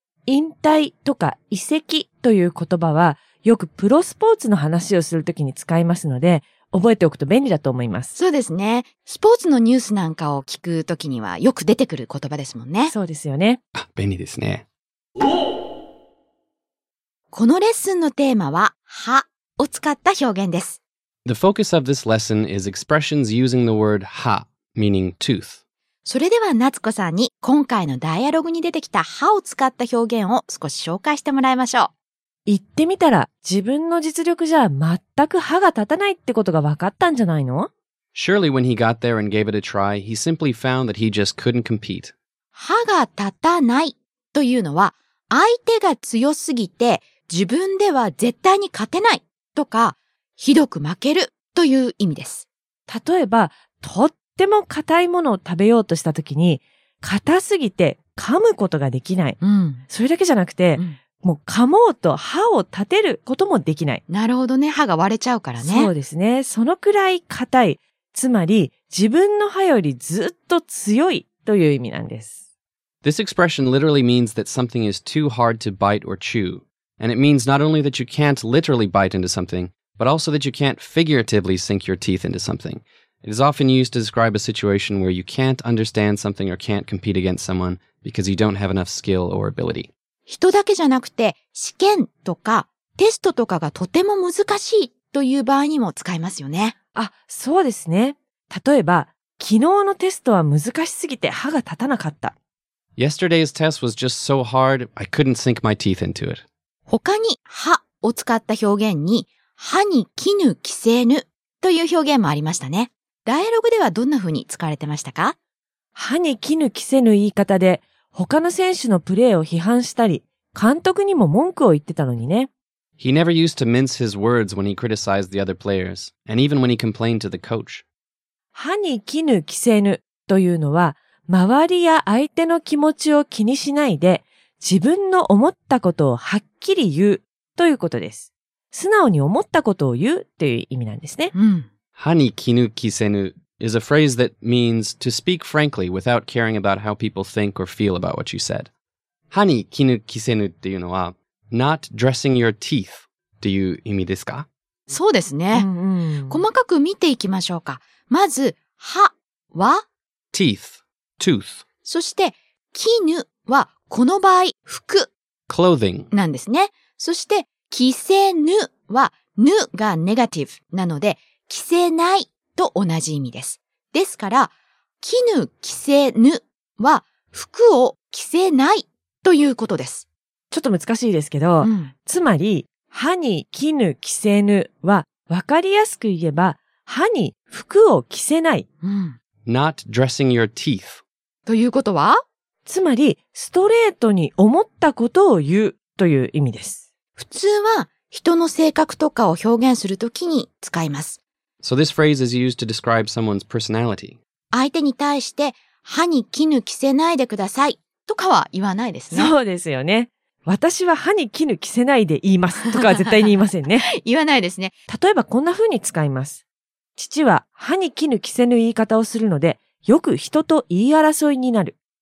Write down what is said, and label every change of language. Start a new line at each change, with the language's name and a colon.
Japanese: 引退とか移籍という言葉は、よくプロスポーツの話をするときに使いますので、覚えておくと便利だと思います。そうですね。スポーツのニュースなんかを聞くときにはよく出てくる言葉ですもんね。そうですよね。あ、便利ですね。このレッスンのテーマは、はを使った表現です。
English: The focus of this lesson is expressions using the word は, meaning tooth.
Japanese: それでは夏子さんに今回のダイアログに出てきたはを使った表現を少し紹介してもらいましょう。言ってみたら自分の実力じゃ全く歯が立たないってことが分かったんじゃないの？
English: Surely when he got there and gave it a try, he simply found that he just couldn't compete.
Japanese: 歯が立たないというのは相手が強すぎて自分では絶対に勝てないとかひどく負けるという意味です。例えばとっても硬いものを食べようとした時に硬すぎて噛むことができない。うん、それだけじゃなくて、うんもう噛もうと歯を立てることもできない。なるほどね。歯が割れちゃうからね。そうですね。そのくらい硬い。つまり、自分の歯よりずっと強いという意味なんです。
English: This expression literally means that something is too hard to bite or chew. And it means not only that you can't literally bite into something, but also that you can't figuratively sink your teeth into something. It is often used to describe a situation where you can't understand something or can't compete against someone because you don't have enough skill or ability.
Japanese: 人だけじゃなくて、試験とかテストとかがとても難しいという場合にも使えますよね。あ、そうですね。例えば、昨日のテストは難しすぎて歯が立たなかった。
English: Yesterday's test was just so hard, I couldn't sink my teeth into it.
Japanese: 他に歯を使った表現に、歯に衣着せぬという表現もありましたね。ダイアログではどんな風に使われてましたか？歯に衣着せぬ言い方で、他の選手のプレーを批判したり、監督にも文句を言ってたのにね。
English: He never used to mince his words when he criticized the other players, and even when he complained to the coach.
Japanese: 歯に衣着せぬというのは、周りや相手の気持ちを気にしないで、自分の思ったことをはっきり言うということです。素直に思ったことを言うという意味なんですね。うん、歯に衣着せぬ。
English: Is a phrase that means to speak frankly without caring about how people think or feel about what you said.
Japanese: 歯に衣着せぬっていうのは、
English: not dressing your teeth
Japanese: っていう意味ですか？そうですね。うん、細かく見ていきましょうか。まず、歯は
English: teeth, tooth.
Japanese: そして、衣はこの場合、服
English: clothing.
Japanese: なんですね。そして、着せぬは、ぬがネガティブなので、着せない。と同じ意味です。ですから、着ぬ着せぬは服を着せないということです。ちょっと難しいですけど、うん、つまり、歯に着ぬ着せぬは分かりやすく言えば、歯に服を着せない。うん、
English: Not dressing your teeth.
Japanese: ということは、つまり、ストレートに思ったことを言うという意味です。普通は人の性格とかを表現するときに使います。
English: So this phrase is used to describe someone's personality.
Japanese: 相手に対して歯に衣着せないでくださいとかは言わないですね。そうですよね。私は歯に衣着せないで言いますとかは絶対に言いませんね。言わないですね。例えばこんな風に使います。父は歯に衣着せぬ言い方をするので、よく人と言い争いになる。